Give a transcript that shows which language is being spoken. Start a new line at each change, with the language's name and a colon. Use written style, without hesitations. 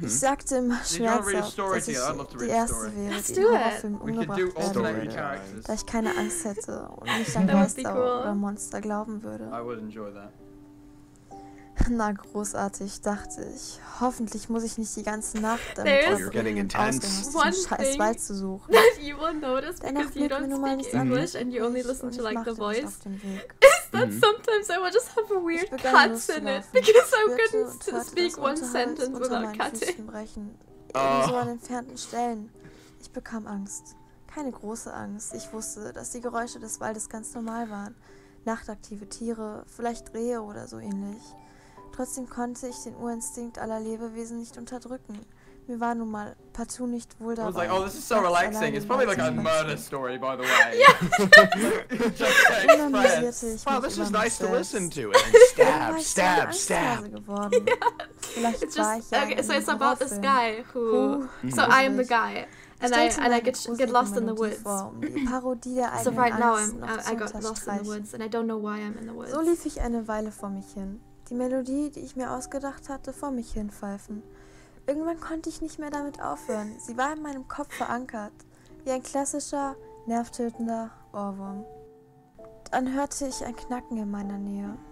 German: Ich sagte immer schmerzhaft, dass ich die erste wäre, die im Horrorfilm umgebracht werden würde, da ich keine Angst hätte und nicht an Geister oder Monster glauben würde.
English: I would enjoy that.
German: Na großartig, dachte ich. Hoffentlich muss ich nicht die ganze Nacht damit ausgehen, diesen scheiß Wald zu suchen. Danach blieb mir nun mal nichts anderes und ich machte mich auf den Weg.
English: That sometimes I will just have a weird cuts in it because I couldn't speak one sentence without cutting.
German: Ebenso an entfernten Stellen. Ich bekam Angst. keine große Angst. Ich wusste, dass die Geräusche des Waldes ganz normal waren. Nachtaktive Tiere, vielleicht Rehe oder so ähnlich. Trotzdem konnte ich den Urinstinkt aller Lebewesen nicht unterdrücken. Mir war nun mal partout nicht wohl dabei.
English: I was like, oh, this is so relaxing. It's probably like a murder story, by the way. Yeah. Just saying, friends. Wow, this is nice to listen to. And stab, stab, stab. Yeah. It's just, okay, so it's about this guy who... So I am the guy. And I get lost in the woods. So right now I got lost in the woods and I don't know why I'm in the woods.
German: So lief ich eine Weile vor mich hin. Die Melodie, die ich mir ausgedacht hatte, vor mich hin pfeifen. Irgendwann konnte ich nicht mehr damit aufhören. Sie war in meinem Kopf verankert. Wie ein klassischer, nervtötender Ohrwurm. Dann hörte ich ein Knacken in meiner Nähe.